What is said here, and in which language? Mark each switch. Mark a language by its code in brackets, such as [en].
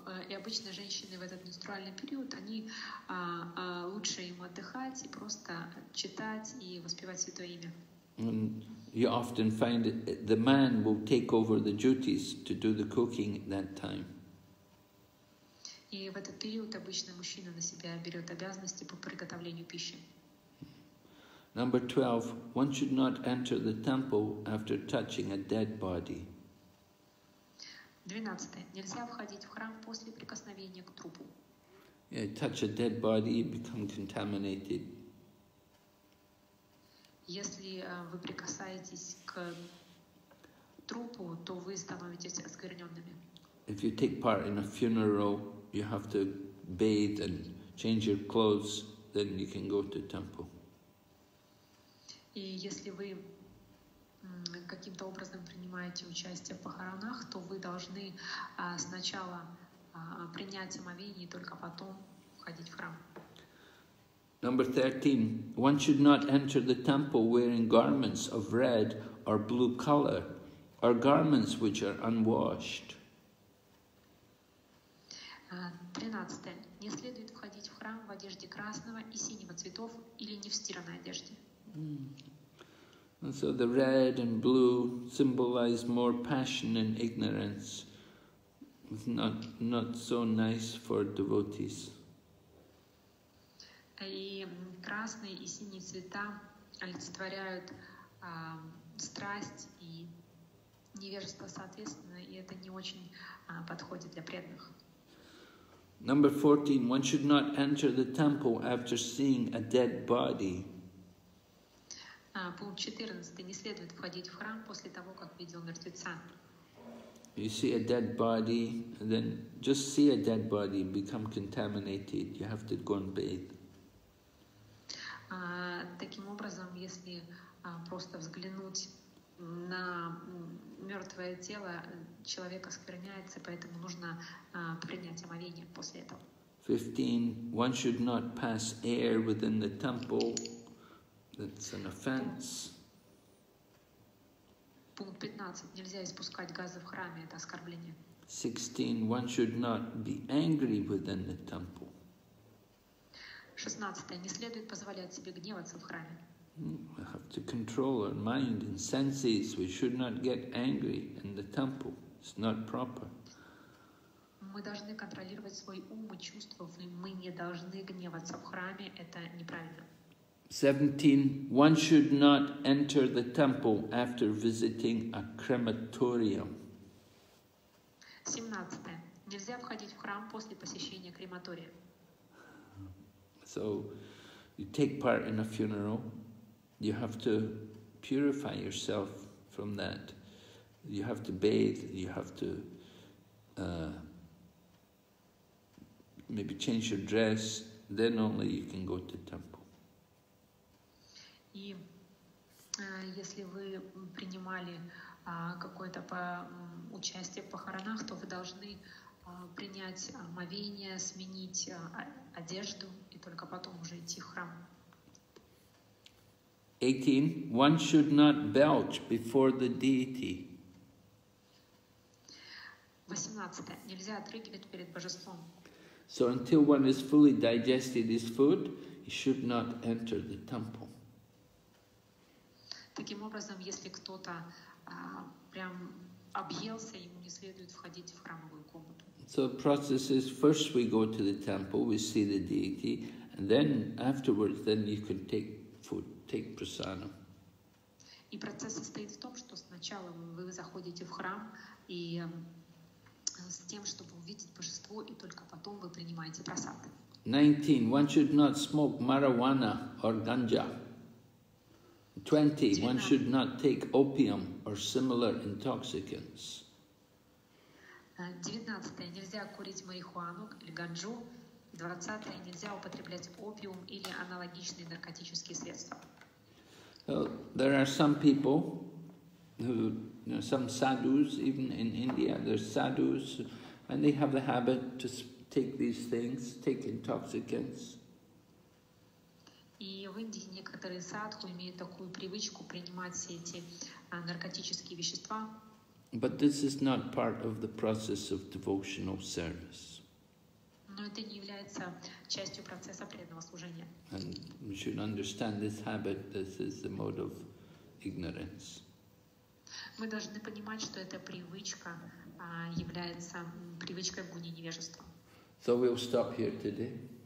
[ru] И обычно женщины в этот менструальный период, они лучше им отдыхать и просто читать и воспевать святое имя. [en] And you often find the man will take over the duties to do the cooking at that time. [ru] И в этот период обычно мужчина на себя берет обязанности по приготовлению пищи. [en] Number 12. One should not enter the temple after touching a dead body. [ru] 12. Нельзя входить в храм после прикосновения к трупу. [en] Yeah, touch a dead body, you become contaminated. [ru] Если вы прикасаетесь к трупу, то вы становитесь оскверненными. [en] If you take part in a funeral, you have to bathe and change your clothes, then you can go to temple. [ru] И если вы каким-то образом принимаете участие в похоронах, то вы должны сначала принять омовение и только потом входить в храм. [en] Number 13. One should not enter the temple wearing garments of red or blue color, or garments which are unwashed. [ru] 13. Не следует входить в храм в одежде красного и синего цветов или не в стиранной одежде. [en] And so the red and blue symbolize more passion and ignorance. It's not so nice for devotees. [ru] И красные и синие цвета олицетворяют страсть и невежество, соответственно, и это не очень подходит для преданных. [en] Number 14. One should not enter the temple after seeing a dead body. [ru] Пункт 14. Не следует входить в храм после того, как видел мертвеца. [en] You see a dead body, then just see a dead body and become contaminated. You have to go and bathe. [ru] Таким образом, если просто взглянуть на мертвое тело, человек оскверняется, поэтому нужно принять омовение после этого. [en] 15. One should not pass air within the temple. That's an offense. [ru] Пункт 15. Нельзя испускать газы в храме, это оскорбление. [en] 16. One should not be angry within the temple. [ru] 16. Не следует позволять себе гневаться в храме. [en] We have to control our mind and senses. We should not get angry in the temple. It's not proper. [ru] Мы должны контролировать свой ум и чувства. Мы не должны гневаться в храме. Это неправильно. [en] 17. One should not enter the temple after visiting a crematorium. [ru] 17. Нельзя входить в храм после посещения крематория. [en] So, you take part in a funeral. You have to purify yourself from that. You have to bathe. You have to maybe change your dress. Then only you can go to temple. [ru] И если вы принимали какое-то участие в похоронах, то вы должны принять омовение, сменить одежду и только потом уже идти в храм. [en] 18. One should not belch before the deity. [ru] 18. Нельзя отрыгивать перед божеством. [en] So until one has fully digested his food, he should not enter the temple. [ru] Таким образом, если кто-то прям объелся, ему не следует входить в храмовую комнату. [en] So the process is, first we go to the temple, we see the deity, and then afterwards, then you can take food, take prasanna. [ru] И процесс состоит в том, что сначала вы заходите в храм и с тем, чтобы увидеть божество, и только потом вы принимаете прасад. [en] 19. One should not smoke marijuana or ganja. 20. One should not take opium or similar intoxicants. [ru] 19. Нельзя курить марихуану или ганджу. 20. Нельзя употреблять опиум или аналогичные наркотические средства. [en] Well, there are some people, who, you know, some sadhus, even in India, there's sadhus, and they have the habit to take these things, take intoxicants. [ru] И в Индии некоторые садху имеют такую привычку принимать все эти наркотические вещества. [en] But this is not part of the process of devotional service. [ru] Но это не является частью процесса преданного служения. [en] And we should understand this habit. This is the mode of ignorance. [ru] Мы должны понимать, что эта привычка является привычкой в гуне невежества. [en] So we'll stop here today.